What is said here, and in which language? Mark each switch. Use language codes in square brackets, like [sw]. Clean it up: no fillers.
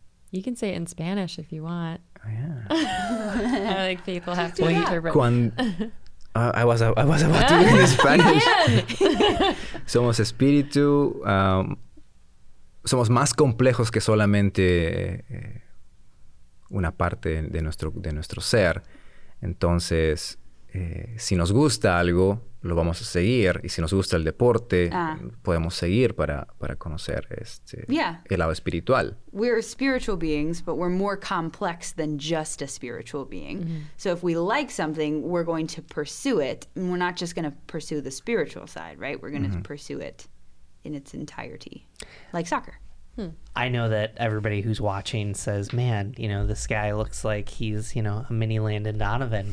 [en] You can say it in Spanish if you want. Oh, yeah. I like people have to interpret. I was about to do it in Spanish. [es] Somos espíritu. Somos más complejos que solamente una parte de nuestro ser. Entonces, si nos gusta algo, lo vamos a seguir. Y si nos gusta el deporte, podemos seguir para conocer el lado espiritual. [en] We're spiritual beings, but we're more complex than just a spiritual being. Mm-hmm. So if we like something, we're going to pursue it. And we're not just going to pursue the spiritual side, right? We're going to pursue it in its entirety, like soccer. I know that everybody who's watching says, man, you know, this guy looks like he's, you know, a mini Landon Donovan.